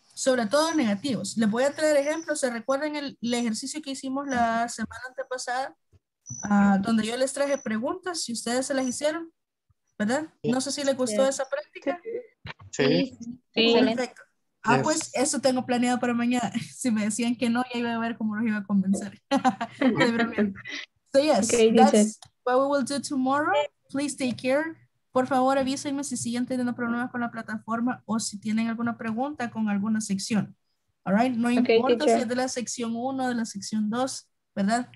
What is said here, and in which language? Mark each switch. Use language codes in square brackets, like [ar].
[es] Sobre todo negativos. Les voy a traer ejemplos. ¿Se recuerdan el ejercicio que hicimos la semana antepasada? Donde yo les traje preguntas y ustedes se las hicieron. ¿Verdad? Sí. No sé si les gustó esa práctica. Sí. Perfecto. Pues eso tengo planeado para mañana. Si me decían que no, ya iba a ver cómo los iba a convencer. De verdad. [en] So yes, okay, that's what we will do tomorrow. Please take care. [es] Por favor, avísenme si siguen teniendo problemas con la plataforma o si tienen alguna pregunta con alguna sección. [en] All right? [es] No importa okay, si es de la sección 1 o de la sección 2, ¿verdad?